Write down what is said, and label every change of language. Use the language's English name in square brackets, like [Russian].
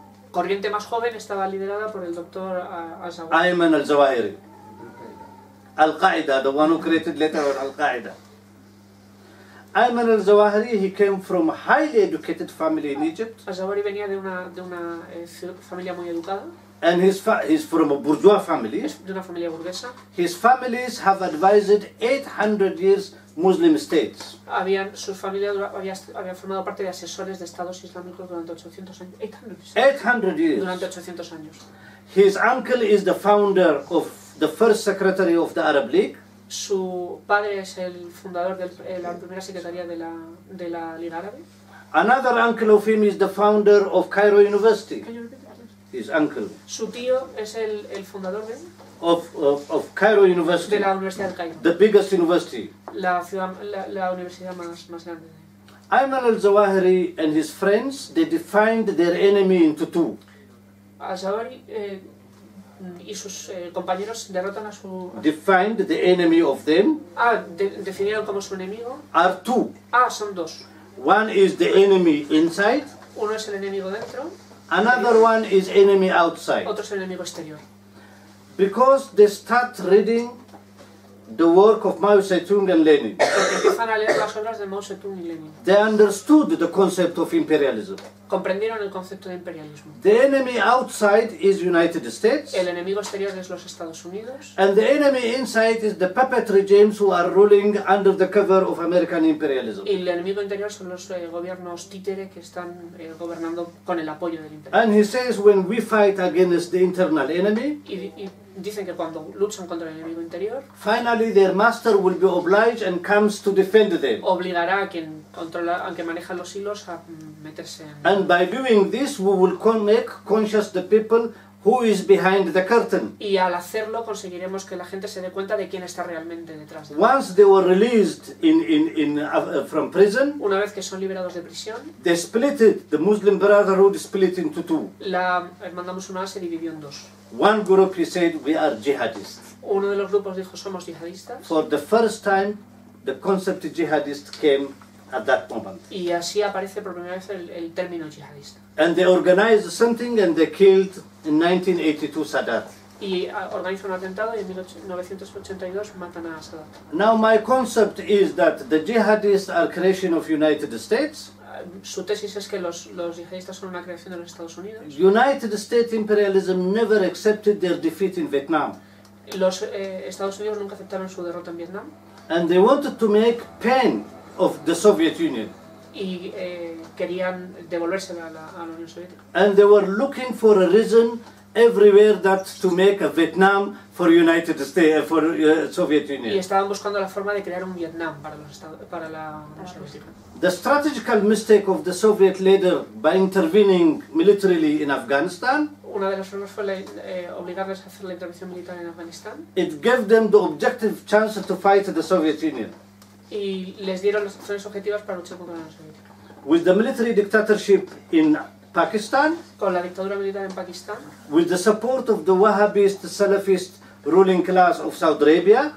[Spanish] Corriente más joven estaba liderada por el doctor Ayman al-Zawahiri. [English] Al-Qaeda, the one who created later on Al-Qaeda. Ayman al-Zawahiri, he came from a highly educated family in Egypt. [Spanish] Al-Zawahiri venía de una familia muy educada. [English] And he's from a bourgeois family. [Spanish] Es de una familia burguesa. [English] His families have advised 800 years Muslim states. [Spanish] Había formado parte de asesores de estados islámicos durante 800 años. [English] 800 years. [Spanish] Durante 800 años. [English] His uncle is the founder of the first secretary of the Arab League. [Spanish] Su padre es el fundador de la primera secretaría de la Liga Árabe. [English] Another uncle of him is the founder of Cairo University. His uncle. [Spanish] Su tío es el fundador de [English] of Cairo University. [Spanish] De la Universidad de Cairo. [English] The biggest university. [Spanish] La ciudad, la universidad más grande. [English] Ayman al-Zawahiri and his friends, they defined their enemy into two. [Spanish] Al-Zawahiri y sus compañeros derrotan a su. [English] Defined the enemy of them. [Spanish] Definieron como su enemigo. [English] Are two. [Spanish] Son dos. [English] One is the enemy inside. [Spanish] Uno es el enemigo dentro. [English] Another one is enemy outside. [Spanish] Otro es el enemigo exterior. [English] Because they start reading the work of Mao Zedong and Lenin. [Spanish] Porque empiezan a leer las obras de Mao Zedong y Lenin. [English] They understood the concept of imperialism. [Spanish] Comprendieron el concepto de imperialismo. [English] The enemy outside is United States. [Spanish] El enemigo exterior es los Estados Unidos. [English] And the enemy inside is the puppet regimes who are ruling under the cover of American imperialism. [Spanish] Y el enemigo interior son los gobiernos títere que están gobernando con el apoyo del imperialismo. [English] And he says when we fight against the internal enemy. [Spanish] Y dicen que cuando luchan contra el enemigo interior. [English] Finally, their master will be obliged and comes to defend them. [Spanish] Obligará a quien controla, aunque maneja los hilos, a meterse en. [English] And by doing this, we will make conscious the people who is behind the curtain. [Spanish] Y al hacerlo, conseguiremos que la gente se dé cuenta de quién está realmente detrás. De [English] once they were released from prison. [Spanish] Una vez que son liberados de prisión. [English] They splitted the Muslim Brotherhood split into two. [Spanish] La mandamos una se dividió en dos. [English] One group he said we are jihadists. [Spanish] Uno de los grupos dijo somos jihadistas. [English] For the first time, the concept of jihadist came. At that moment. [Spanish] Y así aparece por primera vez el término jihadista. [English] And they organized something and they killed in 1982 Sadat. [Spanish] Y organizan un atentado y en 1982 matan a Sadat. [English] Now my concept is that the jihadists are creation of United States. [Spanish] Su tesis es que los jihadistas son una creación de los Estados Unidos. [English] United States imperialism never accepted their defeat in Vietnam. [Spanish] Los Estados Unidos nunca aceptaron su derrota en Vietnam. [English] And they wanted to make pain. Of the Soviet Union. [Spanish] Y querían devolverse a la Unión Soviética. [English] And they were looking for a reason everywhere that to make a Vietnam for United States for Soviet Union. [Spanish] Y estaban buscando la forma de crear un Vietnam para la Unión Soviética. [English] The strategical mistake of the Soviet leader by intervening militarily in Afghanistan. [Spanish] Una de las formas fue obligarles a hacer la intervención militar en Afganistán. [English] It gave them the objective chance to fight the Soviet Union. [Spanish] Y les dieron las opciones objetivas para luchar contra la Unión Soviética. [English] With the military dictatorship in Pakistan. [Spanish] Con la dictadura militar en Pakistán. [English] With the support of the Wahhabist, Salafist ruling class of Saudi Arabia.